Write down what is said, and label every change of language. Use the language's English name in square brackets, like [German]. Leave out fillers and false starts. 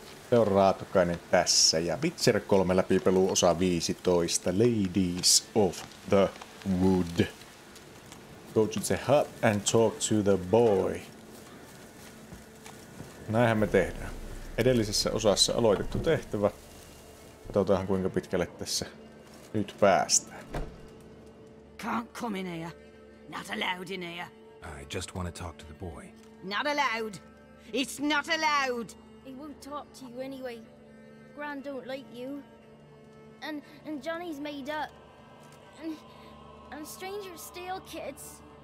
[Finnish] Se on Raatokainen tässä ja Witcher 3 läpipelu osa 15, Ladies of the Wood. [English] Go to the hut and talk to the boy. [Finnish] Näinhän me tehdään. Edellisessä osassa aloitettu tehtävä. Katsotaan kuinka pitkälle tässä nyt päästään. [English] Can't come in here. Not allowed in here. I just want to talk to the boy. Not allowed. It's not allowed. He won't talk to you anyway. Gran don't like you. And Johnny's made up. And stranger still, kids.